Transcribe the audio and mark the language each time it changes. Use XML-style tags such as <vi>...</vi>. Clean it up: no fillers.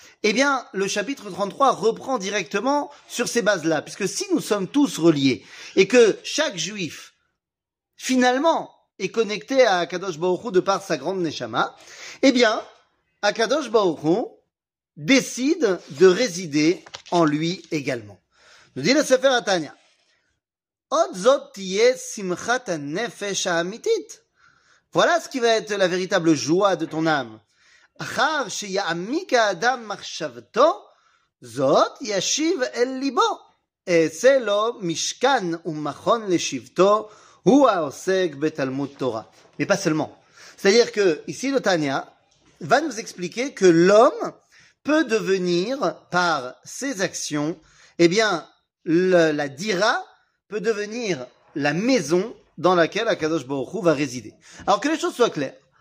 <fr>Eh bien, le chapitre 33 reprend directement sur ces bases-là, puisque si nous sommes tous reliés et que chaque juif, finalement, est connecté à Akadosh Baruch Hu de par sa grande Neshama, eh bien, Akadosh Baruch Hu décide de résider en lui également. Nous dit le Sefer HaTanya, «</fr> <he>Od zot tiye simchat nefesh ha'amitit</he> <fr>» Voilà ce qui va être la véritable joie de ton âme.</fr> <he>אחר שיעמיק האדם מחשבתו, זאת ישיב אל ליבו, אעשה לו משכן ומכון לשבתו, הוא העוסק בתלמוד תורה.</he> <fr>Mais pas seulement. C'est-à-dire que ici le Tanya va nous expliquer que l'homme peut devenir par ses actions, eh bien, la dira peut devenir la maison dans laquelle Akadosh Baruch Hu va résider. Alors que les choses soient claires.</fr>